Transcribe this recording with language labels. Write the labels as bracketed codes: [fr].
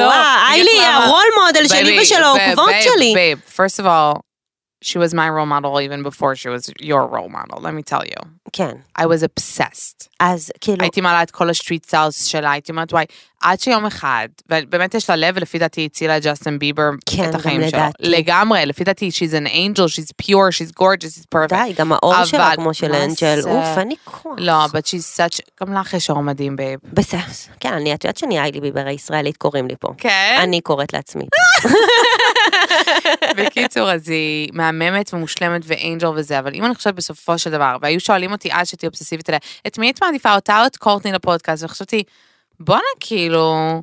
[he] לא, איילי, הרול מודל שלי ושל העוקבות שלי. [en] בייב, first of all, she was my role model even before she was your role model, let me tell you. [he] כן. [en] I was obsessed. [he] אז כאילו... הייתי מעלה את כל ה-street styles שלה, הייתי אומרת, וואי, עד שיום אחד, ובאמת יש לה לב, ולפי דעתי הצילה ג'סטין ביבר את החיים שלו. כן, גם לדעתי. לגמרי, לפי דעתי, [en] she's an angel, she's pure, she's gorgeous, she's perfect. [he] די, גם האור שלה כמו של אנג'ל, אוף, אני כוח. לא, [en] but she's such, [he] גם לך יש אור מדהים, בייב. בסדר, כן, אני את יודעת שאני איילי ביבר הישראלית, קוראים לי פה. כן? אני קוראת לעצמי. בקיצור, אז היא מהממת ומושלמת ואנג'ל וזה, אבל אם אני חושבת בסופו של דבר, והיו שואלים אותי אז שתהיה אובססיבית אליה, את מי את מעדיפה אותה או את קורטני לפודקאסט, וחשבתי, בוא נה כאילו...